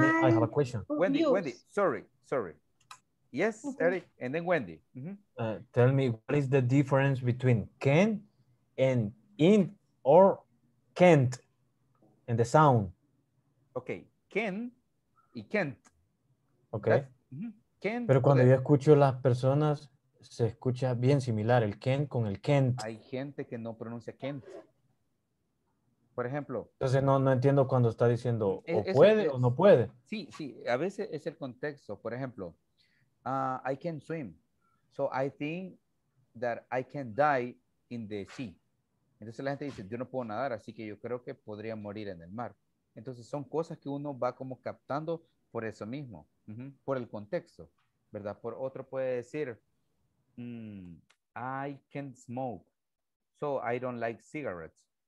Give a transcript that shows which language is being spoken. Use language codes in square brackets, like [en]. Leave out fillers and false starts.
[en] me, I have a question. Wendy, use. Wendy, sorry. Yes, okay. Eric, and then Wendy. Mm-hmm. Tell me, what is the difference between can and in or can't and the sound? Okay, can y can't. Okay. Mm-hmm. Can. [es] Pero cuando yo escucho las personas, se escucha bien similar el can con el can't. Hay gente que no pronuncia can't. Por ejemplo. Entonces no entiendo cuando está diciendo o es, puede es, o no puede. Sí, sí. A veces es el contexto. Por ejemplo, [en] I can swim. So I think that I can die in the sea. [es] Entonces la gente dice, yo no puedo nadar, así que yo creo que podría morir en el mar. Entonces son cosas que uno va como captando por eso mismo. Uh-huh. Por el contexto, ¿verdad? Por otro puede decir, [en] I can't smoke. So I don't like cigarettes.